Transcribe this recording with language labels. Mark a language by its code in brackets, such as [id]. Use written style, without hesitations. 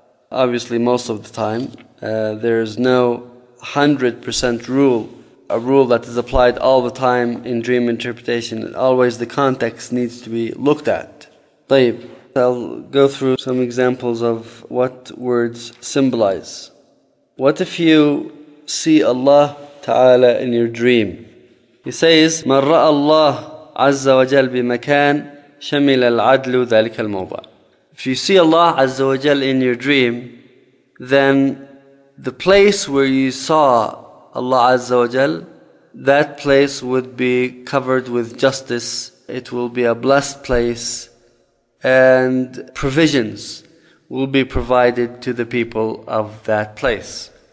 [en] Obviously, most of the time, there is no 100% rule, a rule that is applied all the time in dream interpretation. Always the context needs to be looked at. طيب, I'll go through some examples of what words symbolize. What if you see Allah Ta'ala in your dream? He says, [ar] مَنْ رَأَ اللَّهُ عَزَّ وَجَلْ بِمَكَانِ شَمِلَ الْعَدْلُ ذَلِكَ الْمَوْضَعِ. [en] If you see Allah Azza wa Jal in your dream, then the place where you saw Allah Azza wa Jal, that place would be covered with justice. It will be a blessed place, and provisions will be provided to the people of that place.